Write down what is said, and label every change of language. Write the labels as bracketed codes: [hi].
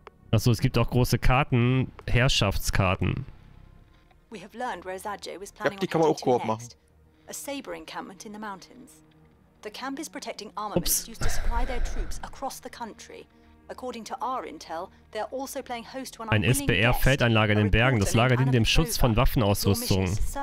[de] Achso, es gibt auch große Karten, Herrschaftskarten. Ich glaub, die kann man auch Koop machen. Ups. [en] Used to supply their troops across the country. According to our intel, they're also playing host to an unwilling guest. [de] Ein SBR-Feldeinlager in den Bergen, das Lager dient dem Schutz von Waffenausrüstung.